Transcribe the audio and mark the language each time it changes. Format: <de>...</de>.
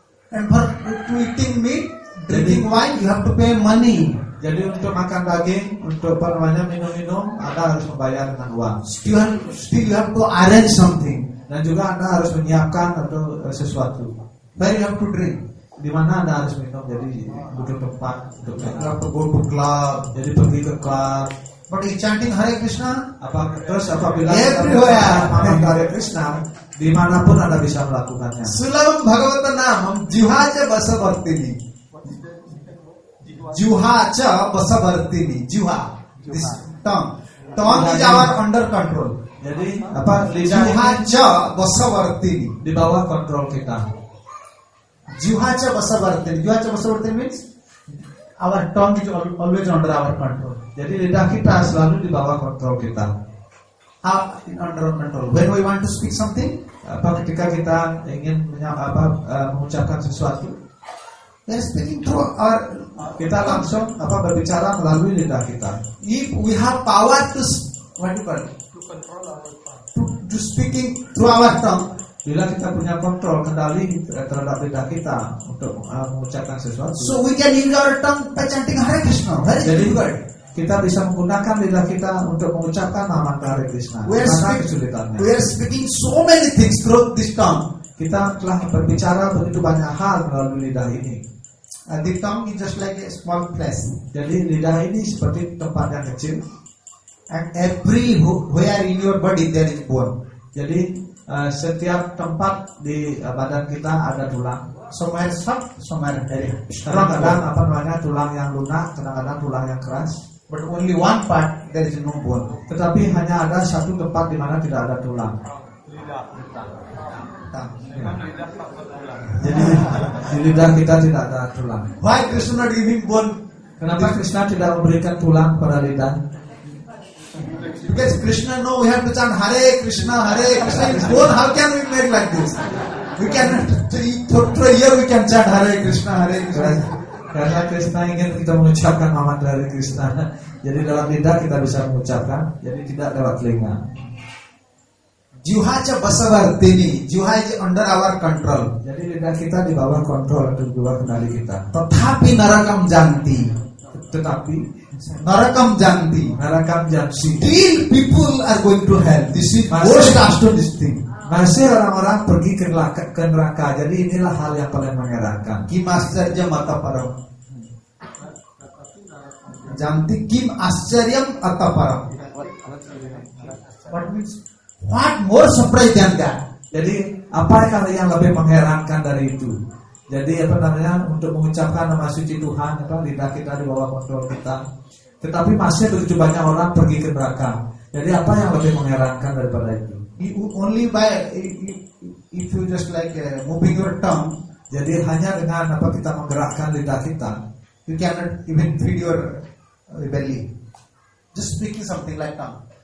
<en>And for eating meat, drinking wine, you have to pay money.</en> <id>Jadi untuk makan daging, untuk permainan minum-minum, Anda harus membayar dengan uang.</id> <en>Still you have to arrange something.</en> <id>Dan juga Anda harus menyiapkan atau sesuatu.</id> <en>Where you have to drink.</en> <id>Di mana Anda harus minum? Jadi butuh tempat untuk berapa golput club. Jadi pergi ke club.</id> <en>But he chanting Hare Krishna.</en> <id>Apa terus apabila</id> <en>everywhere</en> <id>Hare Krishna, dimanapun Anda bisa melakukannya.</id> <sa>Sulabam Bhagavata Namam Juhaja Basavartini. Juhaja Basavartini. Juha.</sa> <en>This tongue. Tongue is our under control.</en> <id>Jadi</id> <sa>apa? Juhaja Basavartini.</sa> <id>Di bawah kontrol kita.</id> <sa>Juhaja Basavartini.</sa> <en>Juhaja Basavartini means our tongue is always under our control.</en> <id>Jadi lidah kita selalu di bawah kontrol kita.</id> <en>How in under control? When we want to speak something,</en> <id>apa ketika kita ingin mengucapkan sesuatu,</id> <en>we are speaking through our</en> <id>kita langsung apa berbicara melalui lidah kita.</id> <en>If we have power to what you call to control our tongue, to speaking through our tongue,</en> <id>bila kita punya kontrol kendali terhadap lidah kita untuk mengucapkan sesuatu.</id> <en>So we can use our tongue by chanting Hare Krishna. Very</en> <id>jadi,</id> <en>good.</en> <id>Kita bisa menggunakan lidah kita untuk mengucapkan nama Hare Krishna.</id> <en>We are speaking so many things through this tongue.</en> <id>Kita telah berbicara begitu banyak hal melalui lidah ini.</id> <en>And the tongue is just like a small place.</en> <id>Jadi lidah ini seperti tempat yang kecil.</id> <en>And everywhere in your body there is bone.</en> <id>Jadi setiap tempat di badan kita ada tulang.</id> <en>Somewhere soft, somewhere very</en> <id>hard. Kadang-kadang apa namanya tulang yang lunak, kadang-kadang tulang yang keras.</id> <en>But only one part there is no bone.</en> <id>Tetapi hanya ada satu tempat di mana tidak ada tulang. Lidah. Jadi lidah kita tidak ada tulang.</id> <en>Why Krishna giving bone?</en> <id>Kenapa Krishna tidak memberikan tulang pada lidah?</id> <en>Because Krishna know we have to chant Hare Krishna, Hare Krishna. Bone, how can we make like this? We can through ear we can chant Hare Krishna, Hare Krishna.</en> <id>Karena Krishna ingin kita mengucapkan nama dari Krishna, jadi dalam lidah kita bisa mengucapkan, jadi tidak lewat telinga.</id> <sa>Juhaja Basavartini,</sa> <en>juhaja under our control.</en> <id>Jadi lidah kita di bawah kontrol atau di bawah kendali kita. Tetapi</id> <sa>narakam janti.</sa> <id>Tetapi</id> <sa>narakam janti. Narakam janti.</sa> <en>Still people are going to hell. This is worst astonishing thing.</en> <id>Masih orang-orang pergi ke neraka. Jadi inilah hal yang paling mengherankan.</id> <sa>Kim ascharyam ataparam. Janti kim ascharyam ataparam.</sa> <en>What means? What more surprise than that?</en> <id>Jadi apakah yang lebih mengherankan dari itu? Jadi apa namanya untuk mengucapkan nama suci Tuhan, apa lidah kita di bawah kontrol kita. Tetapi masih begitu banyak orang pergi ke neraka. Jadi apa yang lebih mengherankan daripada itu?</id> <en>Only by if you just like moving your tongue,</en> <id>jadi hanya dengan apa kita menggerakkan lidah kita,</id> <en>you cannot even feed your belly. Just speaking something like tongue.</en>